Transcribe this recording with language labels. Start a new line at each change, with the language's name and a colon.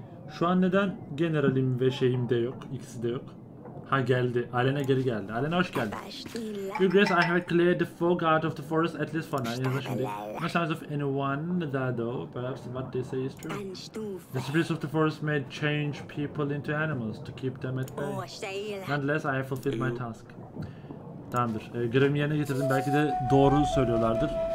Turkish: Şu an neden generalim ve şeyim de yok, ikisi de yok? Ha geldi, Alena geri geldi. Alena hoş geldin.
English: Your Grace, I have cleared the fog out of the forest at least for now.
Turkish: Yazın şimdi.
English: No signs of anyone there though, perhaps what they say is true. The spirits of the forest may change people into animals to keep them at bay. Nonetheless, I have fulfilled my task.
Turkish: Tamamdır. Görevimi yerine getirdim. Belki de doğru söylüyorlardır.